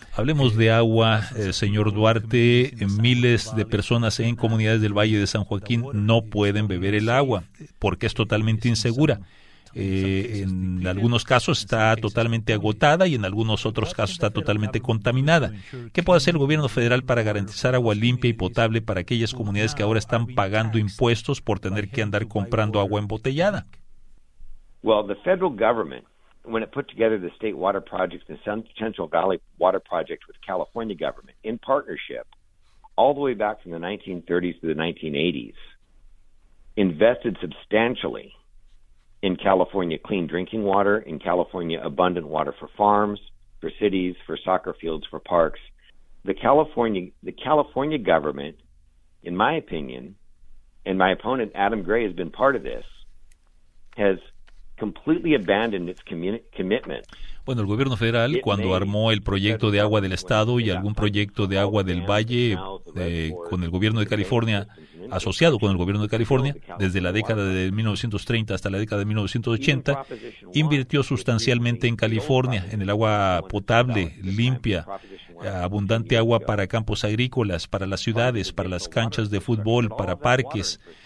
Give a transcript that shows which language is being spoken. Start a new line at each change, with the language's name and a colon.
Spanish: Hablemos de agua, señor Duarte. Miles de personas en comunidades del Valle de San Joaquín no pueden beber el agua porque es totalmente insegura. En algunos casos está totalmente agotada y en algunos otros casos está totalmente contaminada. ¿Qué puede hacer el gobierno federal para garantizar agua limpia y potable para aquellas comunidades que ahora están pagando impuestos por tener que andar comprando agua embotellada?
English: Well, the federal government, when it put together the State Water Project and Central Valley Water Project with California government in partnership, all the way back from the 1930s to the 1980s, invested substantially in California clean drinking water, in California abundant water for farms, for cities, for soccer fields, for parks. The California government, in my opinion, and my opponent Adam Gray has been part of this, has completely abandoned its commitment.
Spanish: Bueno, el gobierno federal, cuando armó el proyecto de agua del estado y algún proyecto de agua del valle con el gobierno de California, asociado con el gobierno de California, desde la década de 1930 hasta la década de 1980, invirtió sustancialmente en California, en el agua potable, limpia, abundante agua para campos agrícolas, para las ciudades, para las canchas de fútbol, para parques.